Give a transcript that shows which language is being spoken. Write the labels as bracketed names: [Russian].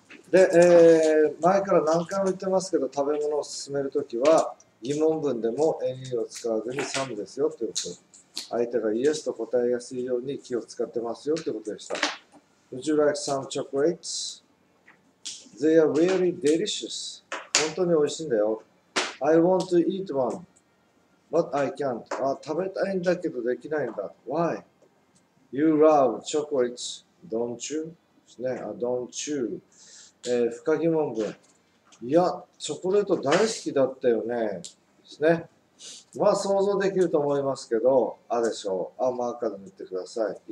[Japanese] で、前から何回も言ってますけど、食べ物を勧めるときは疑問文でも NE を使わずにサムですよということ。相手がイエスと答えやすいように気を使ってますよということでした。 [English] Would you like some chocolates? They are really delicious. [Japanese] 本当に美味しいんだよ。 [English] I want to eat one, but I can't. [Japanese] あ、食べたいんだけどできないんだ。 [English] Why? You love chocolates, don't you? [Japanese] ですね。あ、don't you? 不可疑問文。いや、チョコレート大好きだったよね。ですね。まあ、想像できると思いますけど、あでしょう。あ、マーカーで塗ってください。